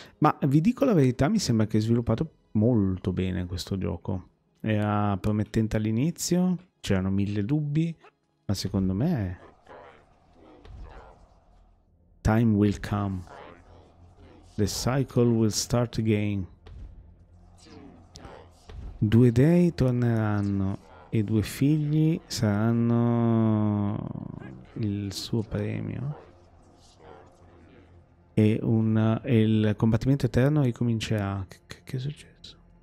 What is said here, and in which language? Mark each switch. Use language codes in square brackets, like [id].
[it] Ma vi dico la verità, mi sembra che è sviluppato molto bene questo gioco. Era promettente all'inizio, c'erano mille dubbi, ma secondo me è [en] Time will come. The cycle will start again. [it] Due dei torneranno e due figli saranno il suo premio. E il combattimento eterno ricomincerà. Che è successo?